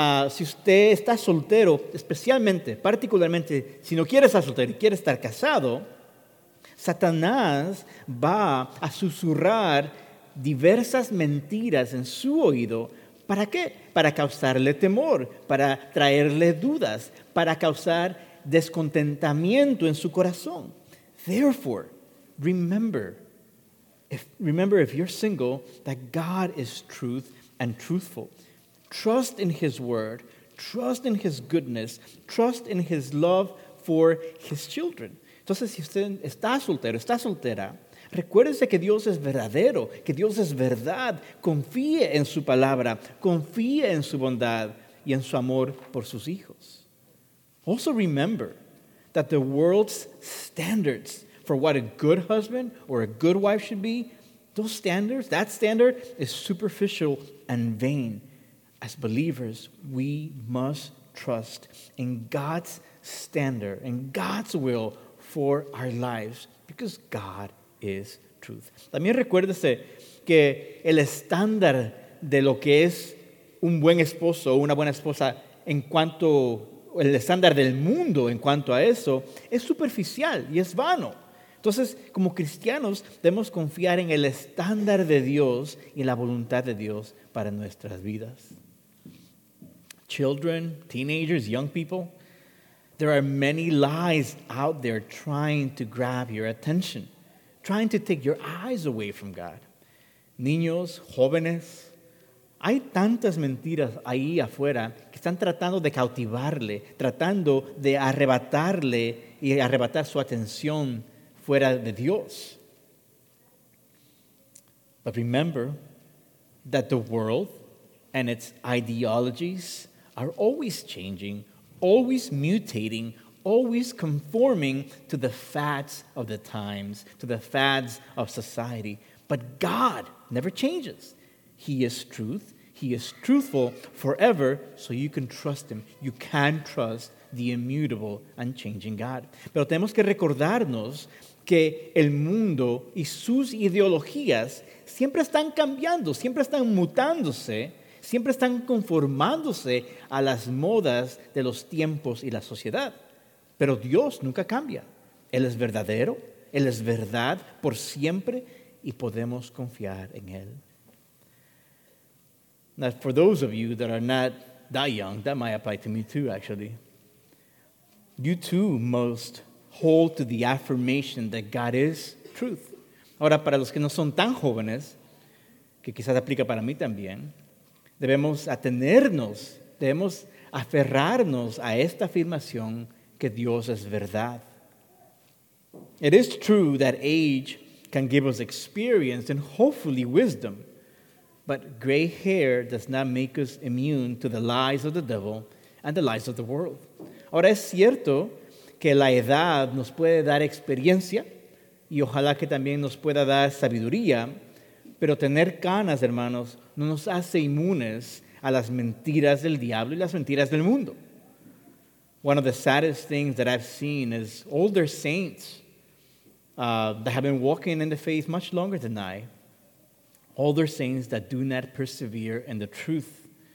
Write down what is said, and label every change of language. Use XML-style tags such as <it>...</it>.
<es>Si usted está soltero, especialmente, particularmente, si no quiere estar soltero y quiere estar casado, Satanás va a susurrar diversas mentiras en su oído. ¿Para qué? Para causarle temor, para traerle dudas, para causar descontentamiento en su corazón.</es> <en>Therefore, remember, if you're single, that God is truth and truthful. Trust in His word. Trust in His goodness. Trust in His love for His children.</en> <es>Entonces, si usted está soltero, está soltera, recuérdese que Dios es verdadero, que Dios es verdad. Confíe en su palabra. Confíe en su bondad y en su amor por sus hijos.</es> <en>Also remember that the world's standards for what a good husband or a good wife should be, those standards, that standard is superficial and vain. As believers, we must trust in God's standard, in God's will for our lives, because God is truth.</en> <es>También recuérdese que el estándar de lo que es un buen esposo o una buena esposa en cuanto, el estándar del mundo en cuanto a eso, es superficial y es vano. Entonces, como cristianos, debemos confiar en el estándar de Dios y en la voluntad de Dios para nuestras vidas.</es> <en>Children, teenagers, young people, there are many lies out there trying to grab your attention, trying to take your eyes away from God.</en> <es>Niños, jóvenes, hay tantas mentiras ahí afuera que están tratando de cautivarle, tratando de arrebatarle y arrebatar su atención fuera de Dios.</es> <en>But remember that the world and its ideologies are always changing, always mutating, always conforming to the fads of the times, to the fads of society. But God never changes. He is truth. He is truthful forever, so you can trust him. You can trust the immutable, unchanging God.</en> <es>Pero tenemos que recordarnos que el mundo y sus ideologías siempre están cambiando, siempre están mutándose, siempre están conformándose a las modas de los tiempos y la sociedad. Pero Dios nunca cambia. Él es verdadero, Él es verdad por siempre y podemos confiar en Él.</es> <en>Now, for those of you that are not that young, that might apply to me too, actually. You too must hold to the affirmation that God is truth.</en> <es>Ahora, para los que no son tan jóvenes, que quizás aplica para mí también, debemos atenernos, debemos aferrarnos a esta afirmación que Dios es verdad.</es> <en>It is true that age can give us experience and hopefully wisdom, but gray hair does not make us immune to the lies of the devil and the lies of the world.</en> <es>Ahora, es cierto que la edad nos puede dar experiencia y ojalá que también nos pueda dar sabiduría, pero tener canas, hermanos, no nos hace inmunes a las mentiras del diablo y las mentiras del mundo.</es> <en>One of the saddest things that I've seen is older saints that have been walking in the faith much longer than I. Older saints that do not persevere in the truth.</en>